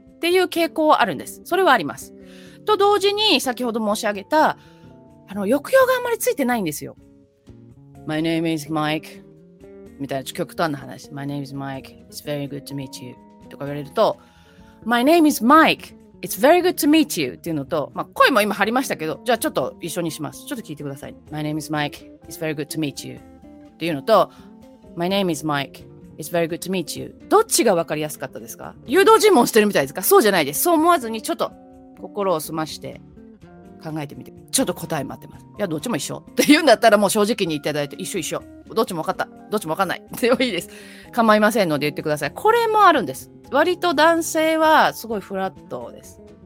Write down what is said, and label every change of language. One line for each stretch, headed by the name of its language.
Japanese: っていう傾向はあるんです。それはあります。と同時に、先ほど申し上げた、抑揚があんまりついてないんですよ。
English: My name is Mike.
Japanese: みたいな極端な話。
English: My name is Mike. It's very good to meet you.
Japanese: とか言われると、
English: My name is Mike. It's very good to meet you
Japanese: っていうのと、まあ、声も今張りましたけど、じゃあちょっと一緒にします。ちょっと聞いてください。
English: My name is Mike. It's very good to meet you
Japanese: っていうのと、
English: My name is Mike. It's very good to meet you。
Japanese: どっちが分かりやすかったですか？誘導尋問してるみたいですか？そうじゃないです。そう思わずにちょっと心を澄まして考えてみて、ちょっと答え待ってます。いや、どっちも一緒って言うんだったら、もう正直に言っていただいて、一緒一緒。どっちも分かった。どっちも分かんない。でもいいです。構いませんので言ってください。これもあるんです。割と男性はすごいフラットです。